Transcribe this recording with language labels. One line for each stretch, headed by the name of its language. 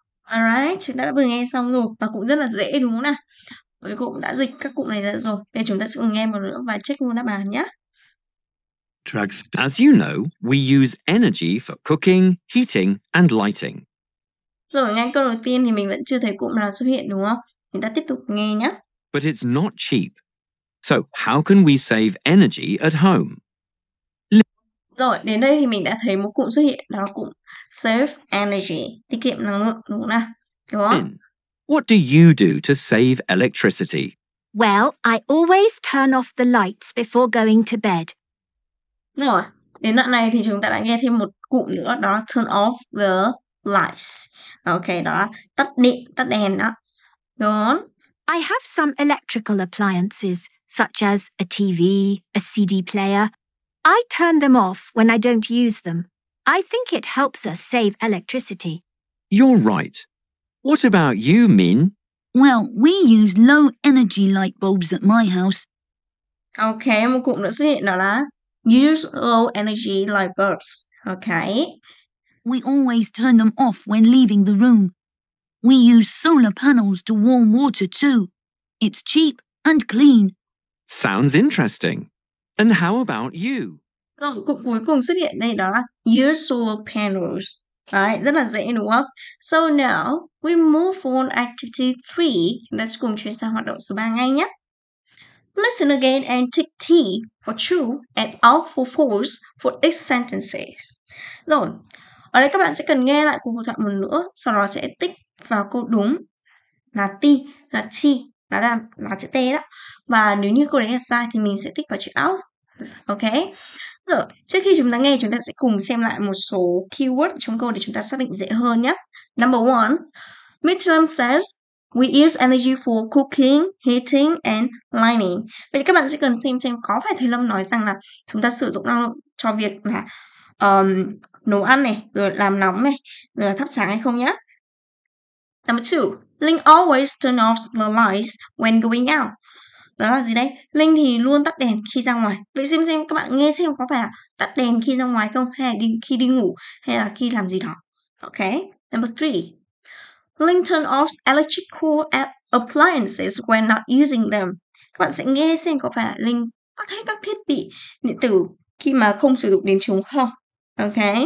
Vietnamese: Alright, chúng ta đã vừa nghe xong rồi và cũng rất là dễ đúng không nào? Bởi vì cô cũng đã dịch các cụm này ra rồi. Bây giờ chúng ta sẽ cùng nghe một nữa và check luôn đáp án nhé.
English: As you know, we use energy for cooking, heating, and lighting.
Vietnamese: Rồi, ngay câu đầu tiên thì mình vẫn chưa thấy cụm nào xuất hiện đúng không? Chúng ta tiếp tục nghe nhé.
English: But it's not cheap. So how can we save energy at home?
Vietnamese: Rồi, đến đây thì mình đã thấy một cụm xuất hiện, đó là cụm save energy, tiết kiệm năng lượng đúng không nào? Đúng không?
English: What do you do to save electricity? Well, I always turn off the lights before going to bed.
Vietnamese: Rồi, đến đoạn này thì chúng ta đã nghe thêm một cụm nữa, đó là turn off the lights. Ok, đó là tắt điện, tắt đèn đó.
English: Go on. I have some electrical appliances, such as a TV, a CD player. I turn them off when I don't use them. I think it helps us save electricity. You're right. What about you, Min? Well, we use low-energy light bulbs at my house.
Vietnamese: Okay, một cụm nữa xuất hiện đó là
English: use low-energy light bulbs. Okay. We always turn them off when leaving the room. We use solar panels to warm water too. It's cheap and clean. Sounds interesting. And how about you?
Vietnamese: Câu cuối cùng xuất hiện đây đó là use solar panels.
English: Right,
Vietnamese: rất là dễ đúng không?
English: So now, we move on activity 3.
Vietnamese: Let's cùng chuyển sang hoạt động số 3 ngay nhé.
English: Listen again and tick T for true and R for false for each sentences.
Vietnamese: Rồi, ở đây các bạn sẽ cần nghe lại cuộc hội thoại một nữa, sau đó sẽ tick vào câu đúng là T, là T, là chữ T đó. Và nếu như câu đấy là sai thì mình sẽ tick vào chữ out. Ok. Rồi, trước khi chúng ta nghe, chúng ta sẽ cùng xem lại một số keyword trong câu để chúng ta xác định dễ hơn nhé.
English: Number one, Mitchell says we use energy for cooking, heating and lighting.
Vietnamese: Vậy các bạn sẽ cần xem có phải thầy Lâm nói rằng là chúng ta sử dụng năng lượng cho việc là nấu ăn này, rồi làm nóng này, rồi là thắp sáng hay không nhé.
English: Number two, Linh always turn off the lights when going out.
Vietnamese: Đó là gì đây? Linh thì luôn tắt đèn khi ra ngoài. Vậy xem các bạn nghe xem có phải là tắt đèn khi ra ngoài không? Hay là khi đi ngủ? Hay là khi làm gì đó? Ok.
English: Number three, Linh turn off electrical appliances when not using them.
Vietnamese: Các bạn sẽ nghe xem có phải là Linh tắt hết các thiết bị điện tử khi mà không sử dụng đến chúng không? Ok.